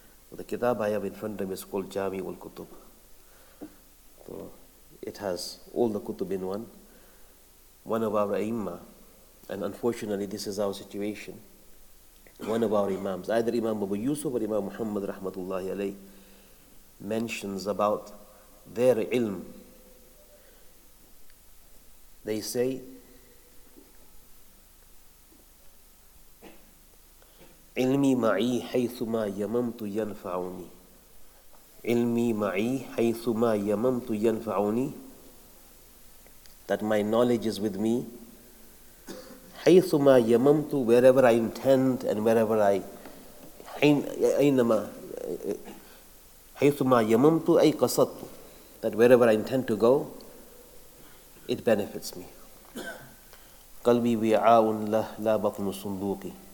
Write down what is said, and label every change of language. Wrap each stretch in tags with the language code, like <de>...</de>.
<en>But the kitab I have in front of me is called Jami'ul Kutub. So it has all the kutub in one. One of our a'imma, and unfortunately this is our situation, one of our imams, either Imam Abu Yusuf or Imam Muhammad rahmatullahi alayh, mentions about their ilm. They say,</en> <ar>علمي معي حيثما يممت ينفعني. علمي معي حيثما يممت ينفعني.</ar> <en>That my knowledge is with me.</en> <ar>حيثما يممت,</ar> <en>wherever I intend and wherever I</en> <ar>أينما حيثما يممت أي قصدت.</ar> <en>That wherever I intend to go, it benefits me.</en> <ar>قلبي وعاء له لا بطن صندوقي.</ar>